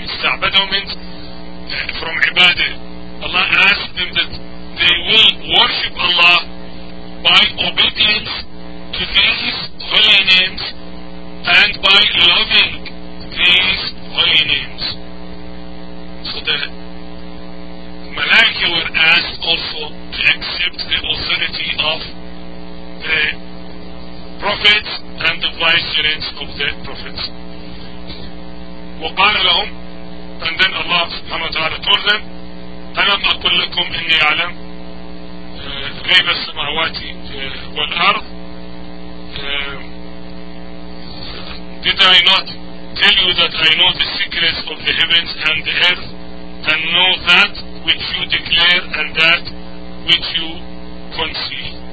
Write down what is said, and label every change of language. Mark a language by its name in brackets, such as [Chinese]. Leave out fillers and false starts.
[English] استعبدهم means from عبادة. Allah asked them that they will worship Allah by obedience to these holy names and by loving these holy names. So the Malaika were asked also to accept the authority of the prophets and the vicegerents of the prophets. [Arabic] وقال لهم, [English] and then Allah subhanahu wa ta'ala told them, [Arabic] أَلَمْ أَقُلْ لَكُمْ إِنِّي أَعْلَمْ غَيْبَ السَّمَعَوَاتِ وَالْأَرْضِ. [English] Did I not tell you that I know the secrets of the heavens and the earth and know that which you declare and that which you conceal?